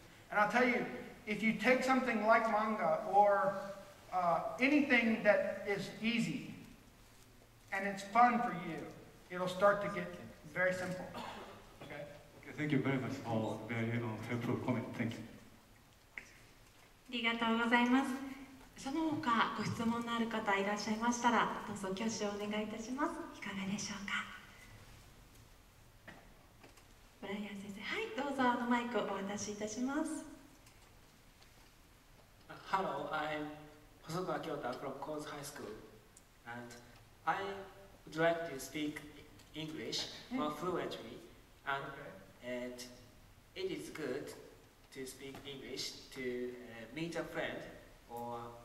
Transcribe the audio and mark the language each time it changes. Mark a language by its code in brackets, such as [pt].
[en] And I'll tell you, if you take something like manga or anything that is easy, And it's fun for you. It'll start to get very simple. Okay? Thank you very much for very helpful comment. Thank you. [ja] ありがとうございます。その他ご質問のある方いらっしゃいましたら、どうぞ挙手をお願いいたします。いかがでしょうか。ブライアン先生、はい、どうぞあのマイクをお渡しいたします。 [en] Hello, I'm 細川京太 from Coase High School, and I would like to speak English more fluently, and it is good to speak English to meet a friend or